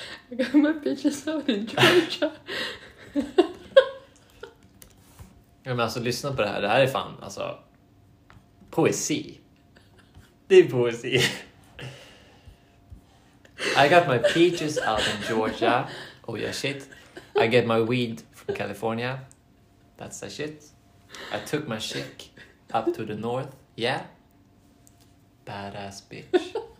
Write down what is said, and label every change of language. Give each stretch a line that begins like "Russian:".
English: I got my bitches out in Georgia.
Swedish: Ja, men alltså, lyssna på det här. Det här är fan, alltså, poesi. Det är poesi.
English: I got my peaches out in Georgia. Oh yeah, shit. I get my weed from California. That's the shit. I took my chick up to the north. Yeah. Badass bitch.